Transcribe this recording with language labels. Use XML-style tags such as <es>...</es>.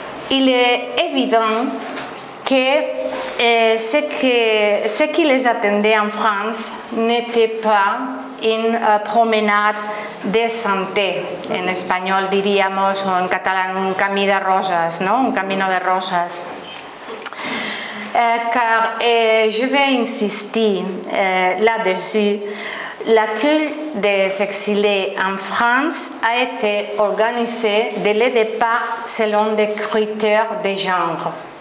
<fr>Il est évident que ce qui les attendait en France n'était pas une promenade de santé. En espagnol</fr> <es>diríamos, o en catalan,</es> <ca>un camí de rosas,</ca> <es>¿no? Un camino de rosas.</es> <fr>Car je vais insister là-dessus, l'accueil des exilés en France a été organisé dès le départ selon des critères de genre.</fr>